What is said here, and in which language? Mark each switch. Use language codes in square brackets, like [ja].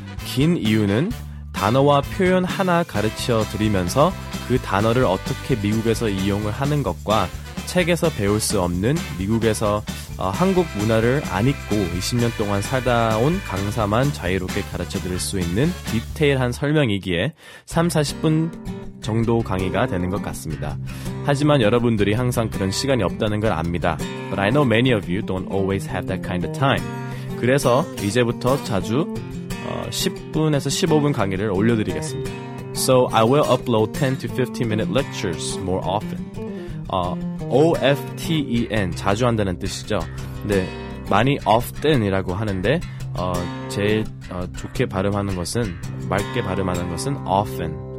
[ko] 긴 이유는 단어와 표현 하나 가르쳐 드리면서 그 단어를 어떻게 미국에서 이용을 하는 것과 책에서 배울 수 없는 미국에서 한국 문화를 안 잊고 20년 동안 살다 온 강사만 자유롭게 가르쳐 드릴 수 있는 디테일한 설명이기에 3, 40분 정도 강의가 되는 것 같습니다. 하지만 여러분들이 항상 그런 시간이 없다는 걸 압니다. [en] But I know many of you don't always have that kind of time. [ko] 그래서 이제부터 자주 10분에서 15분 강의를 올려드리겠습니다. [en] So I will upload 10 to 15 minute lectures more often. [ko] OFTEN, 자주 한다는 뜻이죠. 네, 많이 often이라고 하는데 제일 좋게 발음하는 것은 맑게 발음하는 것은 often.